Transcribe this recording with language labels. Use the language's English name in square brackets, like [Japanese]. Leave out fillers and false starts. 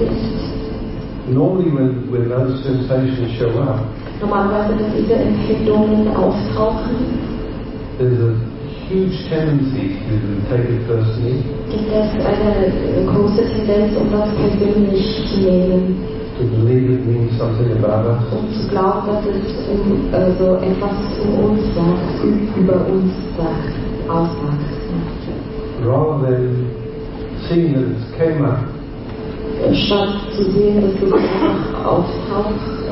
[English] Normally when those sensations show up, there's a huge tendency to take it personally. [German] Gibt es eine große Tendenz, um das persönlich zu nehmen? [English] To believe it means something about us. [German] Um zu glauben, dass es also etwas zu uns sagt, über uns sagt, aussagt. [English] Rather than seeing that it came up. [German] Statt zu sehen, dass es einfach auftaucht.